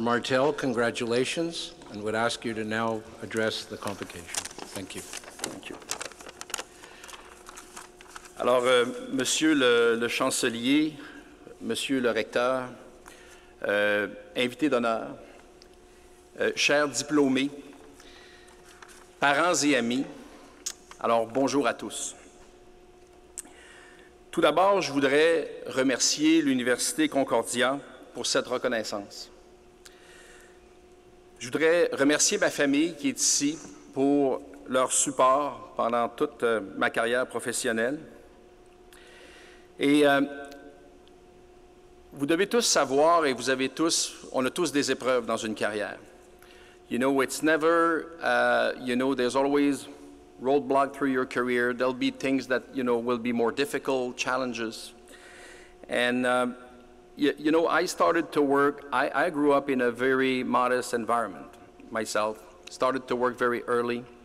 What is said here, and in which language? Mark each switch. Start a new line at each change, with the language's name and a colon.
English: Martel, congratulations, and would ask you to now address the convocation. Thank you. Thank you.
French: Alors, Monsieur le Chancelier, Monsieur le Recteur, invités d'honneur, chers diplômés, parents et amis, alors bonjour à tous. Tout d'abord, je voudrais remercier l'Université Concordia pour cette reconnaissance. Je voudrais remercier ma famille qui est ici pour leur support pendant toute ma carrière professionnelle. Et vous devez tous savoir, et vous avez tous, on a tous des épreuves dans une carrière.
English: You know, it's never, you know, there's always roadblock through your career. There'll be things that, you know, will be more difficult, challenges. And you know, I started to work, I grew up in a very modest environment myself, started to work very early.